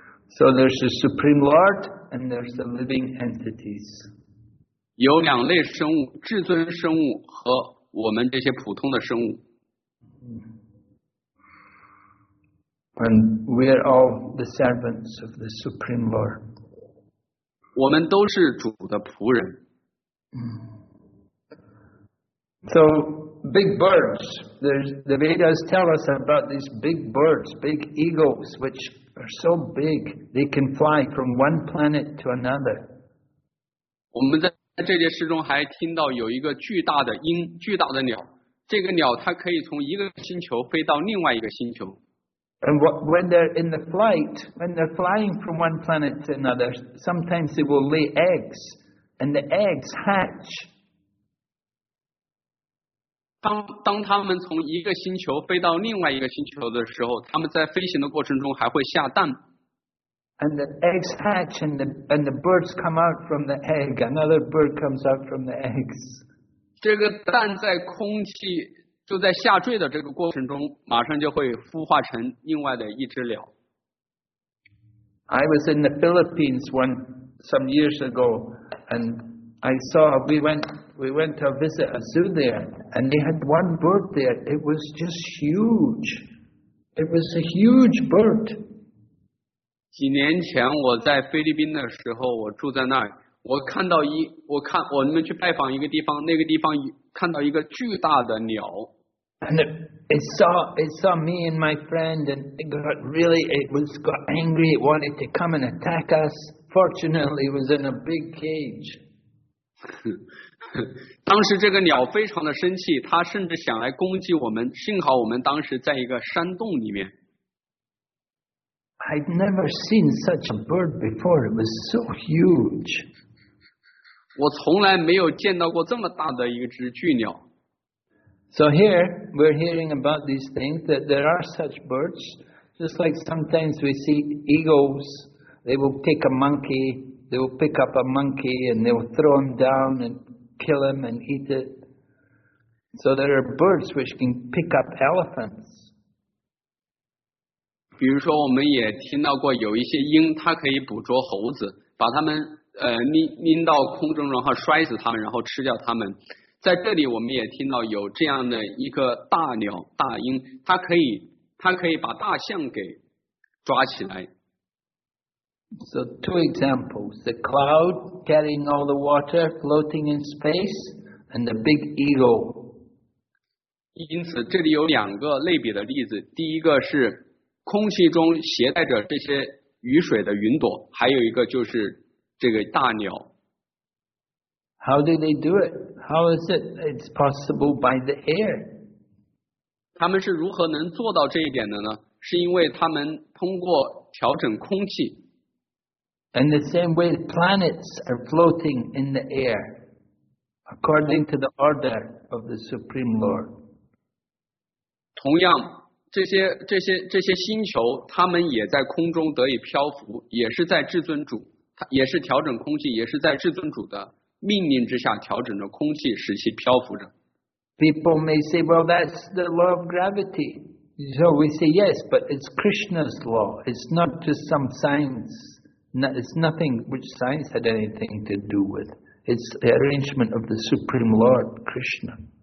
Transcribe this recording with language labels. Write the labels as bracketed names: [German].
[English] So there's the Supreme Lord and there's the living entities. [Chinese] 有两类生物，至尊生物和我们这些普通的生物。 [English] And we are all the servants of the Supreme Lord. [Chinese] 我们都是主的仆人。 [English] So big birds, the Vedas tell us about these big birds, big eagles, which are so big they can fly from one planet to another. [Chinese] 我们在这件事中还听到有一个巨大的鹰，巨大的鸟。这个鸟它可以从一个星球飞到另外一个星球。 [English] And when they're in the flight, when they're flying from one planet to another, sometimes they will lay eggs, and the eggs hatch. [Chinese] 当他们从一个星球飞到另外一个星球的时候，他们在飞行的过程中还会下蛋。 [English] And the eggs hatch, and the birds come out from the egg. Another bird comes out from the eggs. [Chinese] 这个蛋在空气。就在下坠的这个过程中，马上就会孵化成另外的一只鸟。 [English] I was in the Philippines some years ago, and I saw we went to visit a zoo there, and they had one bird there. It was just huge. It was a huge bird. [Chinese] 几年前我在菲律宾的时候，我住在那儿，我们去拜访一个地方，那个地方看到一个巨大的鸟。 [English] And it saw me and my friend, and it got angry, it wanted to come and attack us. Fortunately, it was in a big cage. [Chinese] 当时这个鸟非常的生气，它甚至想来攻击我们，幸好我们当时在一个山洞里面。 [English] I'd never seen such a bird before, it was so huge. [Chinese] 我从来没有见到过这么大的一只巨鸟。 [English] So here, we're hearing about these things, that there are such birds, just like sometimes we see eagles, they will take a monkey, they will pick up a monkey, and they will throw him down and kill him and eat it. So there are birds which can pick up elephants. [Chinese] 比如说我们也听到过有一些鹰，它可以捕捉猴子，把它们拎到空中，然后摔死他们，然后吃掉他们。在这里我们也听到有这样的一个大鸟大鹰，它可以把大象给抓起来。 [English] So two examples, the cloud carrying all the water floating in space and the big eagle. [Chinese] 因此这里有两个类比的例子，第一个是空气中携带着这些雨水的云朵，还有一个就是这个大鸟。 [English] How do they do it? How is it's possible by the air? [Chinese] 他们是如何能做到这一点的呢？是因为他们通过调整空气。 [English] In the same way, planets are floating in the air, according to the order of the Supreme Lord. [Chinese] 同样，这些星球，它们也在空中得以漂浮，也是在至尊主，也是调整空气，也是在至尊主的命令之下调整着空气，使其漂浮着。 [English] People may say, "Well, that's the law of gravity." So we say yes, but it's Krishna's law. It's not just some science. It's nothing which science had anything to do with. It's the arrangement of the Supreme Lord, Krishna.